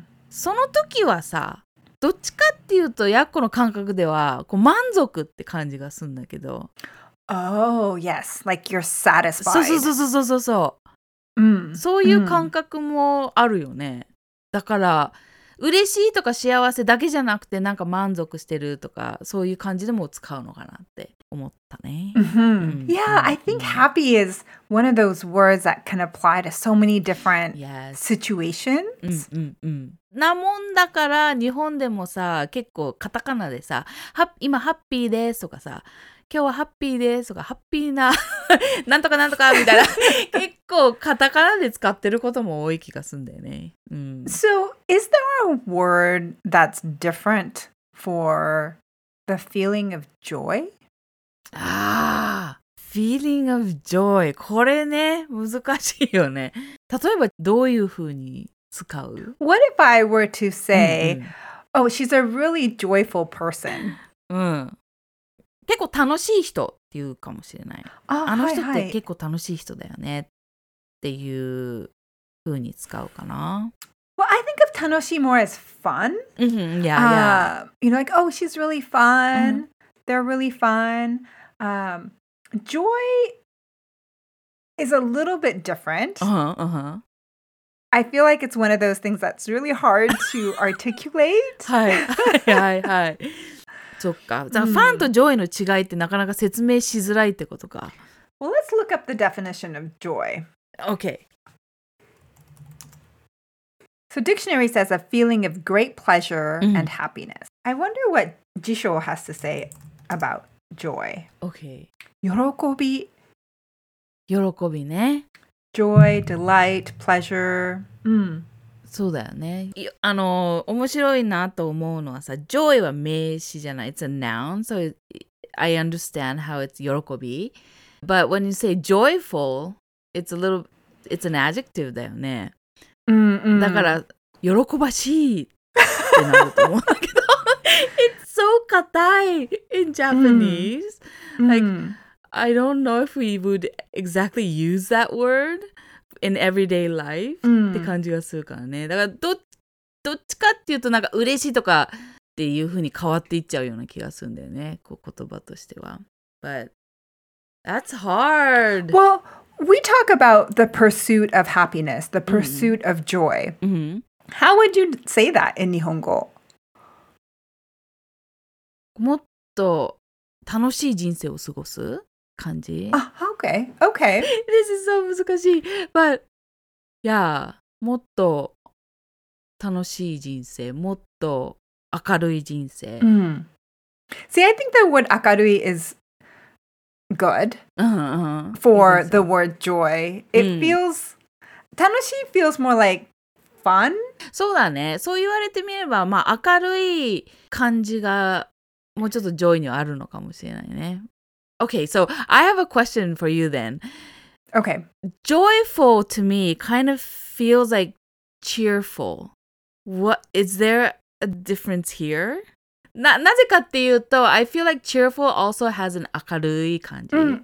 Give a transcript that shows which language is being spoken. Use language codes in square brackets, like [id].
[ja] その時はさ、どっちかっていうと、ヤッコの感覚では、こう満足って感じがするんだけど。 [en] Oh, yes. Like you're satisfied. [ja] そうそうそうそうそうそう。そういう感覚もあるよね。だから、嬉しいとか幸せだけじゃなくて、なんか満足してるとか、そういう感じでも使うのかなって。 [en] Yeah, I think happy is one of those words that can apply to so many different situations. [ja] なもんだから日本でもさ、結構カタカナでさ、今ハッピーですとかさ、今日はハッピーですとか、ハッピーな、なんとかなんとかみたいな、結構カタカナで使ってることも多い気がするんだよね。 [en] So, is there a word that's different for the feeling of joy? [ja] ああ、 [en] feeling of joy。 [ja] これね、難しいよね。例えば、どういうふうに使う [en] ?What if I were to say, oh, she's a really joyful person. [ja] 結構楽しい人っていうかもしれない。 [en] Oh, [ja] あの人って結構楽しい人だよねっていうふうに使うかな。 [en] Well, I think of 楽しい more as fun. You know, like, oh, she's really fun. They're really fun. Joy is a little bit different. I feel like it's one of those things that's really hard to articulate. [ja] はいはいはい。そっか。じゃあファンとジョイの違いってなかなか説明しづらいってことか。 [en] Well, let's look up the definition of joy. Okay. So dictionary says a feeling of great pleasure and happiness. I wonder what Jisho has to say. About joy. Okay. [ja] 喜び。喜びね。 [en] Joy, delight, pleasure. [ja] そうだよね。あの、面白いなと思うのはさ、joy は名詞じゃない。 [en] It's a noun, so I understand how it's [ja] 喜び。 [en] But when you say joyful, it's a little, it's an adjective [ja] だよね。だから、喜ばしいってなると思うんだけど。 [en] It's so katai in Japanese. Mm. Like, mm. I don't know if we would exactly use that word in everyday life. Mm. [ja] って感じがするからね。だからどっちかっていうとなんか嬉しいとかっていうふうに変わっていっちゃうような気がするんだよね。こう言葉としては。 [en] But that's hard. Well, we talk about the pursuit of happiness, the pursuit of joy. Mm-hmm. How would you say that in Nihongo? [ja] もっと楽しい人生を過ごす感じ。 [en] あ、okay, okay. This is so [ja] 難しい。 [en] But, yeah, [ja] もっと楽しい人生、もっと明るい人生。 Mm. [en] See, I think the word 明るい is good for the word joy. It feels, 楽しい feels more like fun. [ja] そうだね。そう言われてみれば、まあ明るい感じがもうちょっとジョイにはあるのかもしれないね。 [en] Okay, so I have a question for you then. Okay. Joyful to me kind of feels like cheerful. What, is there a difference here? [ja] なぜかっていうと、 [en] I feel like cheerful also has an [ja] 明るい感じ。